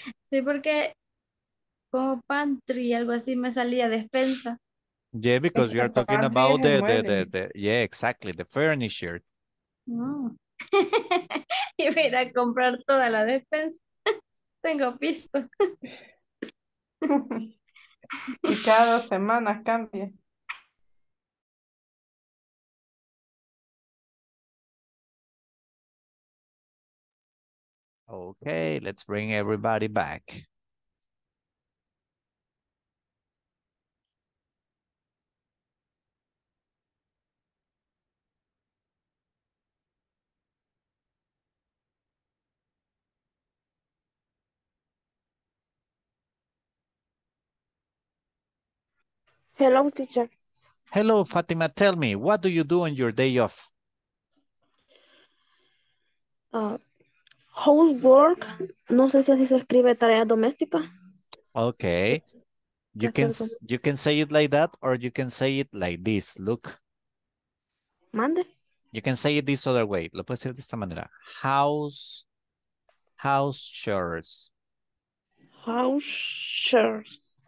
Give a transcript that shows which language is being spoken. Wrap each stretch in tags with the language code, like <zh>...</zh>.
<es>Sí, porque como pantry y algo así me salía despensa.</es> <en>Yeah, because you are talking about the yeah, exactly, the furniture.</en> <es>Y voy a comprar toda la despensa. Tengo pisto. Y cada dos semanas cambia.</es> <en>Okay, let's bring everybody back. Hello, teacher. Hello, Fatima. Tell me, what do you do on your day off? Housework.</en> <es>No sé si así se escribe tareas domésticas.</es> <en>Okay. You can say it like that, or you can say it like this. Look.</en> <es>Mande.</es> <en>You can say it this other way.</en> <es>Lo puedes decir de esta manera.</es> <en>House chores. House chores.</en>